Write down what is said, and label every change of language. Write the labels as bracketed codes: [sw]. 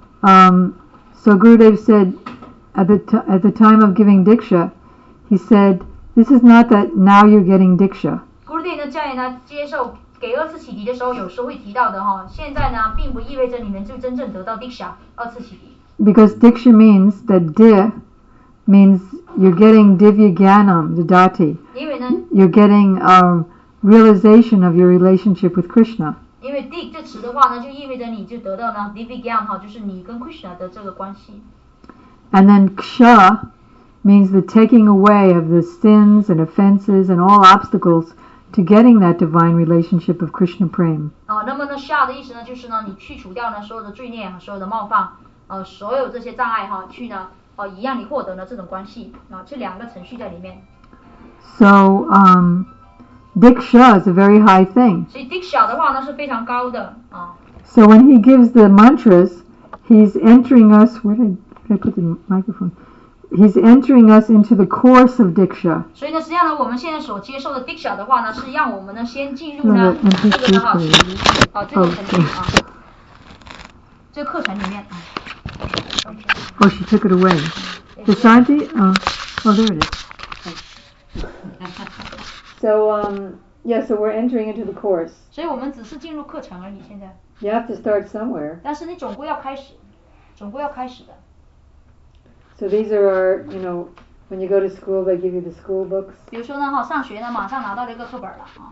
[en] So Gurudev said at the time of giving Diksha, he said, this is not that now you're getting Diksha. [zh] Gurudev 呢在呢接受给二次启迪的时候有时候会提到的现在呢并不意味着你们就真正得到迪克夏二次启迪。 [en] Because Diksha means that Dih means you're getting Divya Gyanam, the Dhati. You're getting, realization of your relationship with Krishna. [zh] Because "dik" 这词的话呢，就意味着你就得到了 "divigyan" 就是你跟 Krishna 的这个关系。 [en] And then "ksha" means the taking away of the sins and offenses and all obstacles to getting that divine relationship of Krishna Prem. [zh] 那么呢 "ksha" 的意思呢，就是呢，你去除掉呢所有的罪孽、所有的冒犯、所有这些障碍去呢，一样你获得了这种关系这两个程序在里面。 [en] So, Diksha is a very high thing. [zh] So Diksha 的话呢是非常高的 [en] So when he gives the mantras, he's entering us. Where did I put the microphone? He's entering us into the course of Diksha. [zh] 所以呢，实际上呢，我们现在所接受的 Diksha 的话呢，是让我们呢先进入呢这个呢这个程序这课程里面 [en] Oh, she took it away. Dasanti? Oh, there it is. So we're entering into the course. [zh] 所以我们只是进入课程而已现在。 [en] You have to start somewhere. [zh] 但是你总归要开始总归要开始的。 [en] So these are our, you know, when you go to school, they give you the school books. [zh] 比如说呢上学呢马上拿到了一个课本了。